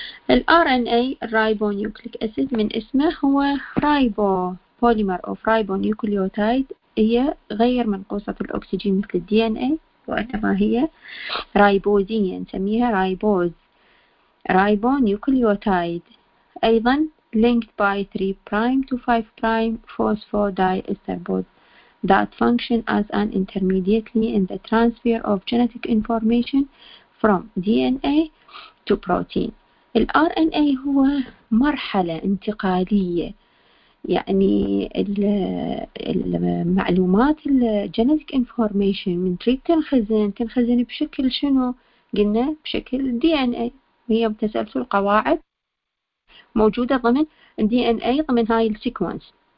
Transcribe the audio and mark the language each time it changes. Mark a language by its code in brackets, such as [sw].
[ar] ال RNA ribonucleic acid من اسمه هو [en] ribo polymer of ribonucleotide، [ar] هي غير منقوصة الأكسجين مثل ال DNA وإنما هي ريبوزية، نسميها ريبوز ribonucleotide. أيضا [en] linked by 3' to 5' phosphodiester bond that function as an intermediate in the transfer of genetic information from DNA to protein. [ar] ال RNA هو مرحلة انتقالية، يعني المعلومات الجينيتك انفورميشن من تريد تنخزن بشكل شنو؟ قلنا بشكل DNA، هي بتسلسل قواعد موجودة ضمن DNA ضمن هاي السيكونس.